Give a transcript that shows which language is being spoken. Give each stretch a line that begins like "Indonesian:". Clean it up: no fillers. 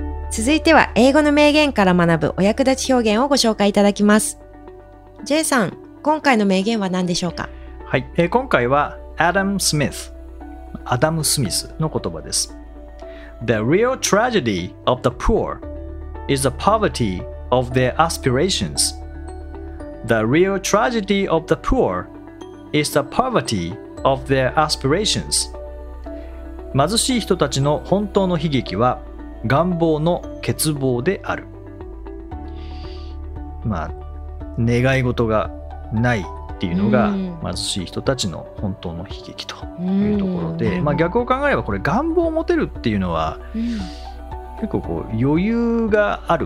Japanese: 続いては英語の名言から学ぶお役立ち表現をご紹介いただきます。 J さん、今回の名言は何でしょうか？はい、今回はアダム・スミスの言葉です。
English: The real tragedy of the poor is the poverty of their aspirations. The real tragedy of the poor is the poverty of their aspirations.
Japanese: 貧しい人たちの本当の悲劇は願望の欠乏である。まあ、願い事がないっていうのが貧しい人たちの本当の悲劇というところで、まあ、逆を考えればこれ願望を持てるっていうのは結構こう余裕がある。